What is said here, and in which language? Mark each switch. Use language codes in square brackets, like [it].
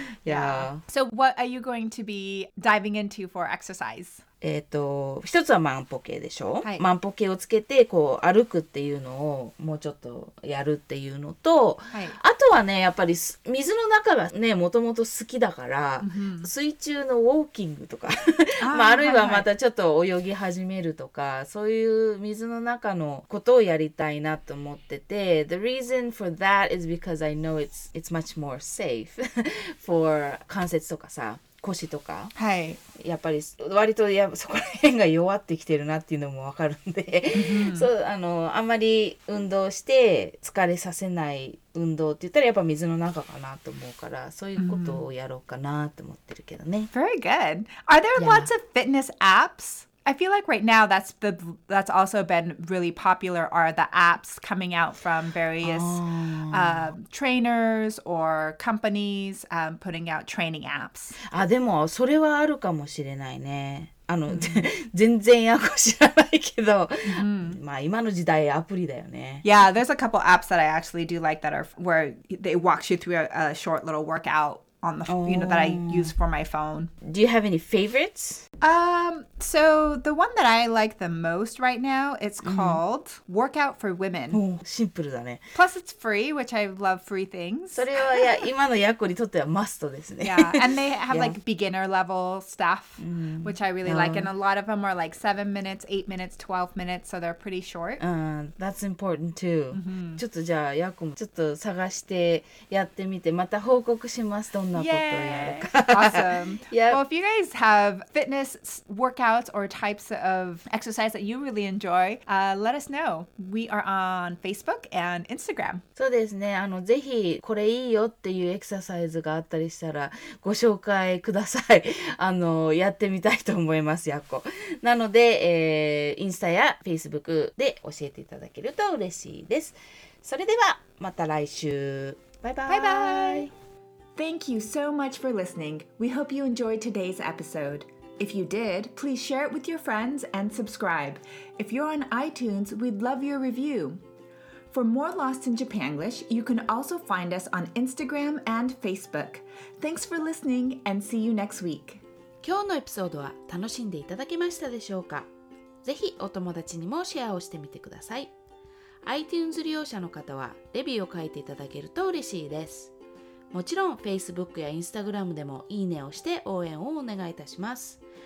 [en] Yeah. So what are you going to be diving into for exercise? [ja] 一つは万歩計でしょ、はい、万歩計をつけてこう歩くっていうのをもうちょっとやるっていうのと、はい、あとはねやっぱり水の中がねもともと好きだから、水中のウォーキングとかまあ、あるいはまたちょっと泳ぎ始めるとか、はいはい、そういう水の中のことをやりたいなと思ってて [en] The reason for that is because I know it's much more safe for [ja] 関節とかさ腰とか、はい、やっぱり割とやそこら辺が弱ってきてるなっていうのも分かるんで、そう、あんまり運動して疲れさせない運動って言ったらやっぱ水の中かなと思うから、そういうことをやろうかなと思ってるけどね。 [en] Very good. Are there lots of fitness apps? I feel like right now that's also been really popular are the apps coming out from various trainers or companies putting out training apps. [ja] あ、でもそれはあるかもしれないね。全然アプリ知らないけど、まあ今の時代アプリだよね。 [en] Yeah, there's a couple apps that I actually do like that are where they walk you through a short little workout. On the phone, you know, that I use for my phone. Do you have any favorites? So the one that I like the most right now, it's called Workout for Women. Oh, simple, [ja] だね. [en] Plus, it's free, which I love free things. [ja] それはいや、今のヤコにとってはマストですね。 [en] Yeah, and they have like beginner level stuff, which I really like. And a lot of them are like 7 minutes, 8 minutes, 12 minutes, so they're pretty short. That's important too. [ja] ちょっとじゃあヤコもちょっと探してやってみて、また報告します。 [en] Yay! Awesome. Yep. Well, if you guys have fitness workouts or types of exercise that you really enjoy, let us know. We are on Facebook and Instagram. [ja] そうですね。ぜひこれいいよっていうエクササイズがあったりしたらご紹介ください。やってみたいと思います、やっこ。なので、インスタや Facebook で教えていただけると嬉しいです。それではまた来週。バイバイ。バイバイ。 [en] Thank you so much for listening. We hope you enjoyed today's episode. If you did, please share it with your friends and subscribe. If you're on iTunes, we'd love your review. For more Lost in Japanglish, you can also find us on Instagram and Facebook. Thanks for listening and see you next week. [ja] 今日のエピソードは楽しんでいただけましたでしょうか？ぜひお友達にもシェアをしてみてください。 iTunes 利用者の方はレビューを書いていただけると嬉しいです。もちろん Facebook や Instagram でもいいねをして応援をお願いいたします。